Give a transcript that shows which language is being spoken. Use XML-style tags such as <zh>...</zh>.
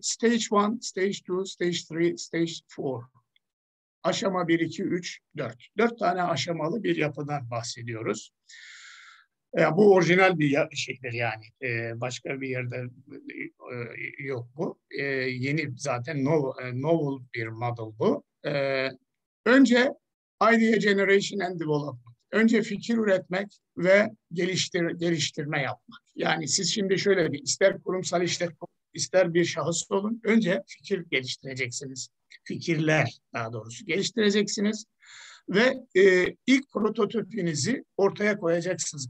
<en>Stage 1, Stage 2, Stage 3, Stage 4.</en> <tr>Aşama 1, 2, 3, 4. 4 tane aşamalı bir yapıdan bahsediyoruz. Yani bu orijinal bir şeydir yani. Başka bir yerde yok bu. Yeni zaten novel bir model bu.</tr> <en>Önce idea generation and development.</en> <tr>Önce fikir üretmek ve geliştirme yapmak. Yani siz şimdi şöyle bir ister kurumsal işte ister bir şahıs olun. Önce fikir geliştireceksiniz. Fikirler daha doğrusu geliştireceksiniz. Ve ilk prototipinizi ortaya koyacaksınız.</tr>